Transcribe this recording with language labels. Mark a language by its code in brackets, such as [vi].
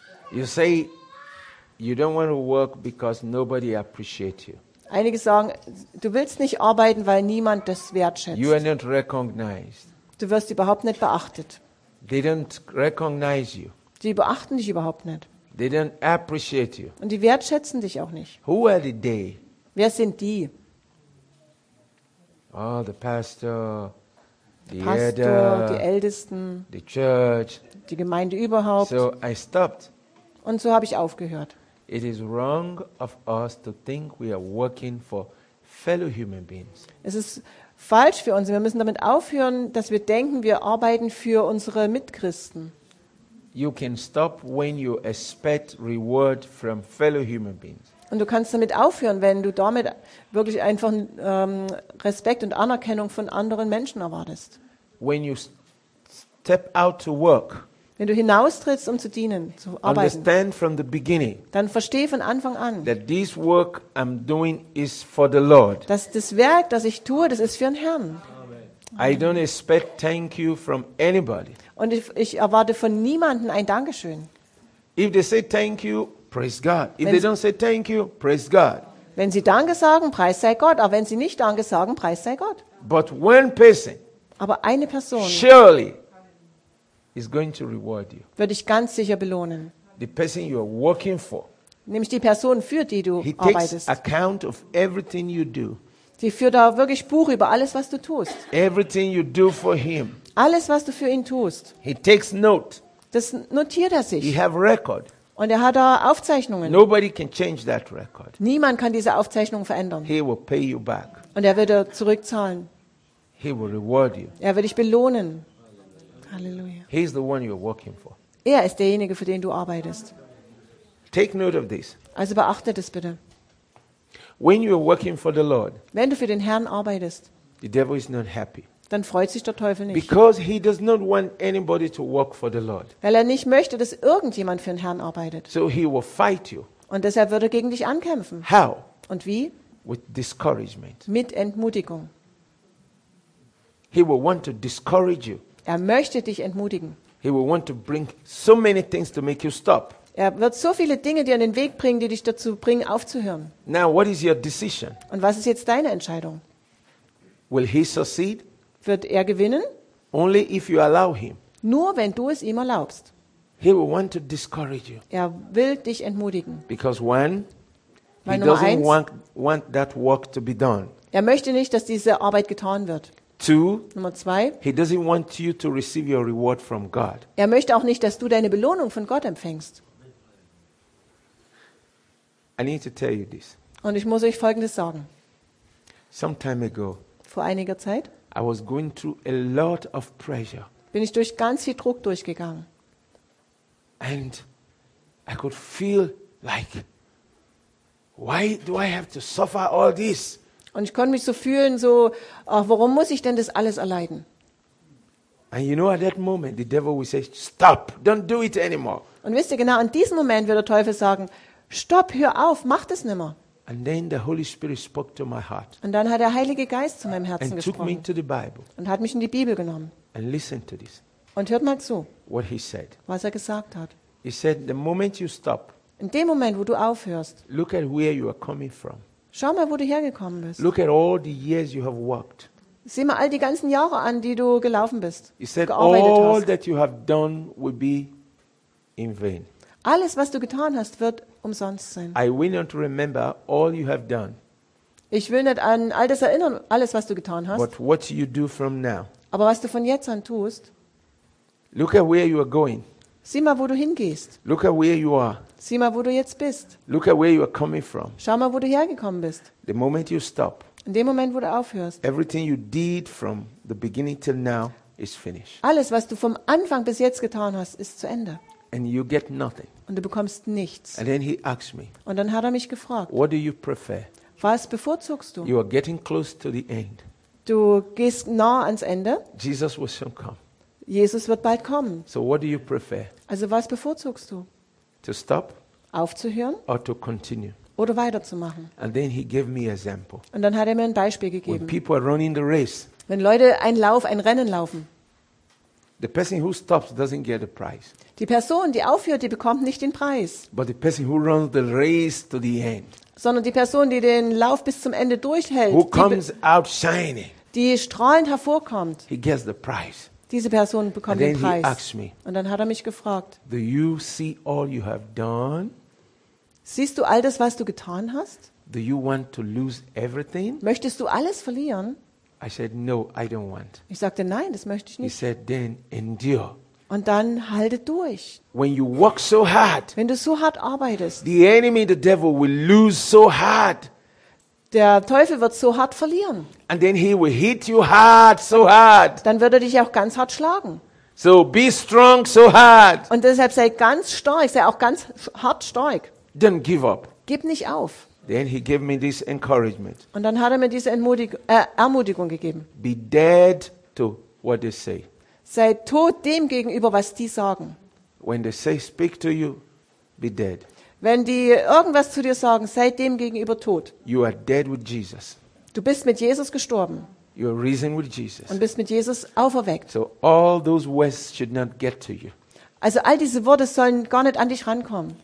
[en] You say you don't want to work because nobody appreciates you. [de] Einige sagen, du willst nicht arbeiten, weil niemand das wertschätzt. [en] You are not recognized. [de] Du wirst überhaupt nicht beachtet. [en] They don't recognize you. [de] Die beachten dich überhaupt nicht. [en] They don't appreciate you. [de] Und die wertschätzen dich auch nicht. [en] Who are the they? [de] Wer sind die? [en] Oh, the pastor, the elder, [de] die Ältesten, [en] the church, [de] die Gemeinde überhaupt. [en] So I stopped. [de] Und so habe ich aufgehört. [en] It is wrong of us to think we are working for fellow human beings. [de] Es ist falsch für uns. Wir müssen damit aufhören, dass wir denken, wir arbeiten für unsere Mitchristen. [en] You can stop when you expect reward from fellow human beings. [de] Und du kannst damit aufhören, wenn du damit wirklich einfach Respekt und Anerkennung von anderen Menschen erwartest. [en] When you step out to work. [de] Wenn du hinaustrittst, um zu dienen, zu arbeiten. [en] Understand from the beginning. [de] Dann verstehe von Anfang an. [en] That this work I'm doing is for the Lord. [de] Dass das Werk, das ich tue, das ist für den Herrn. [en] I don't expect thank you from anybody. [de] Und ich erwarte von niemandem ein Dankeschön. [en] If they say thank you, praise God. If they don't say thank you, praise God. [de] Wenn sie Danke sagen, preis sei Gott. Aber wenn sie nicht Danke sagen, preis sei Gott. [en] But one person. [de] Aber eine Person. [en] Surely. Is going to reward you. [de] Wird dich ganz sicher belohnen. [en] The person you are working for. [de] Nämlich die Person, für die du arbeitest. [en] He takes account of everything you do. [de] Die führt da wirklich Buch über alles, was du tust. [en] Everything you do for him. [de] Alles, was du für ihn tust. [en] He takes note. [de] Das notiert er sich. [en] He have record. [de] Und er hat da Aufzeichnungen. [en] Nobody can change that record. [de] Niemand kann diese Aufzeichnung verändern. [en] He will pay you back. [de] Und er wird dir zurückzahlen. [en] He will reward you. [de] Er wird dich belohnen. [en] He is the one you're working for. [de] Er ist derjenige, für den du arbeitest. [en] Take note of this. [de] Also beachte das bitte. [en] When you're working for the Lord, [de] wenn du für den Herrn arbeitest, [en] the devil is not happy. [de] Dann freut sich der Teufel nicht. [en] Because he does not want anybody to work for the Lord. [de] Weil er nicht möchte, dass irgendjemand für den Herrn arbeitet. [en] So he will fight you. [de] Und deshalb wird er gegen dich ankämpfen. [en] How? [de] Und wie? [en] With discouragement. [de] Mit Entmutigung. [en] He will want to discourage you. [de] Er möchte dich entmutigen. [en] He will want to bring so many things to make you stop. [de] Er wird so viele Dinge dir in den Weg bringen, die dich dazu bringen, aufzuhören. [en] Now, what is your decision? [de] Und was ist jetzt deine Entscheidung? [en] Will he succeed? [de] Wird er gewinnen? [en] Only if you allow him. [de] Nur wenn du es ihm erlaubst. [en] He will want to discourage you. [de] Er will dich entmutigen. [en] Because when he doesn't want that work to be done. [de] Er möchte nicht, dass diese Arbeit getan wird. [en] Two, [de] Nummer zwei. [en] He doesn't want you to receive your reward from God. [de] Er möchte auch nicht, dass du deine Belohnung von Gott empfängst. [en] I need to tell you this. [de] Und ich muss euch Folgendes sagen. [en] Some time ago. [de] Vor einiger Zeit. [en] I was going through a lot of pressure. [de] Bin ich durch ganz viel Druck durchgegangen. [en] And I could feel like, why do I have to suffer all this? [de] Und ich konnte mich so fühlen, so, ach, warum muss ich denn das alles erleiden? [en] And you know, at that moment, the devil will say, stop, don't do it anymore. [de] Und wisst ihr, genau in diesem Moment wird der Teufel sagen, stopp, hör auf, mach das nimmer. [en] And then the Holy Spirit spoke to my heart. [de] Und dann hat der Heilige Geist zu meinem Herzen gesprochen. [en] And took me into the Bible. [de] Und hat mich in die Bibel genommen. [en] And listen to this. [de] Und hört mal zu, [en] what he said. [de] Was er gesagt hat. [en] He said, the moment you stop, [de] in dem Moment, wo du aufhörst, [en] look at where you are coming from. [de] Schau mal, wo du hergekommen bist. [en] Look at all the years you have walked. [de] Sieh mal all die ganzen Jahre an, die du gelaufen bist. [en] He said, all that you have done will be in vain. [de] Alles, was du getan hast, wird umsonst sein. [en] I will not remember all you have done. [de] Ich will nicht an all das erinnern, alles, was du getan hast. [en] But what you do from now. [de] Aber was du von jetzt an tust. [en] Look at where you are going. [de] Sieh mal, wo du hingehst. [en] Look at where you are. [de] Sieh mal, wo du jetzt bist. [en] Look at where you are coming from. [de] Schau mal, wo du hergekommen bist. [en] The moment you stop. [de] In dem Moment, wo du aufhörst. [en] Everything you did from the beginning till now is finished. [de] Alles, was du vom Anfang bis jetzt getan hast, ist zu Ende. [en] And you get nothing. [de] Und du bekommst nichts. [en] And then he asked me. [de] Und dann hat er mich gefragt. [en] What do you prefer? [de] Was bevorzugst du? [en] You are getting close to the end. [de] Du gehst nah ans Ende. [en] Jesus will soon come. [de] Jesus wird bald kommen. [en] So what do you prefer? [de] Also was bevorzugst du? [en] To stop? [de] Aufzuhören? [en] Or to continue? [de] Oder weiterzumachen? [en] And then he gave me an example. [de] Und dann hat er mir ein Beispiel gegeben. [en] When people are running the race. [de] Wenn Leute einen Lauf, ein Rennen laufen. [en] The person who stops doesn't get the prize. [de] Die Person, die aufhört, die bekommt nicht den Preis. [en] But the person who runs the race to the end. [de] Sondern die Person, die den Lauf bis zum Ende durchhält. [en] Who comes out shining. [de] Die strahlend hervorkommt. [en] He gets the prize. [de] Diese Person bekommt [en] And then [de] den Preis. [en] He asked me, [de] und dann hat er mich gefragt, [en] do you see all you have done? [de] Siehst du all das, was du getan hast? [en] Do you want to lose everything? [de] Möchtest du alles verlieren? [en] I said, no, I don't want. [de] Ich sagte, nein, das möchte ich nicht. [en] He said, then endure. [de] Und dann halte durch. [en] When you work so hard, [de] wenn du so hart arbeitest, [en] the enemy, the devil, will lose so hard. [de] Der Teufel wird so hart verlieren. [en] And then he will hit you hard, so hard. [de] Dann wird er dich auch ganz hart schlagen. [en] So be strong, so hard. [de] Und deshalb sei ganz stark, sei auch ganz hart stark. [en] Don't give up. [de] Gib nicht auf. [en] Then he gave me this encouragement. [de] Und dann hat er mir diese Ermutigung gegeben. [en] Be dead to what they say. [de] Sei tot dem gegenüber, was die sagen. [en] When they say speak to you, be dead. [de] Wenn die irgendwas zu dir sagen, sei dem gegenüber tot. [en] You are dead with Jesus. [de] Du bist mit Jesus gestorben. [en] You are risen with Jesus. [de] Und bist mit Jesus auferweckt. [en] So all those words should not get to you. [de] Also all diese Worte sollen gar nicht an dich rankommen.